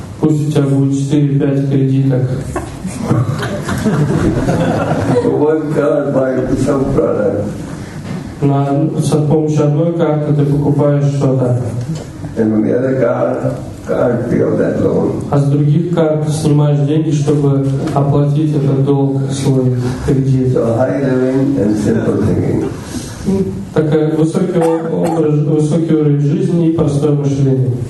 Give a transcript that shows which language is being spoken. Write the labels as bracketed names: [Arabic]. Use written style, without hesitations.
[Russian] Пусть у тебя будет 4-5 кредиток. [English] One card buys some product. [Russian] С помощью одной карты ты покупаешь что-то. [English] And on the other card pay off that loan. [Russian] А с других карт снимаешь деньги, чтобы оплатить этот долг, свой кредит. [English] So high living and simple thinking. [Russian] Такой высокий уровень жизни и простое мышление.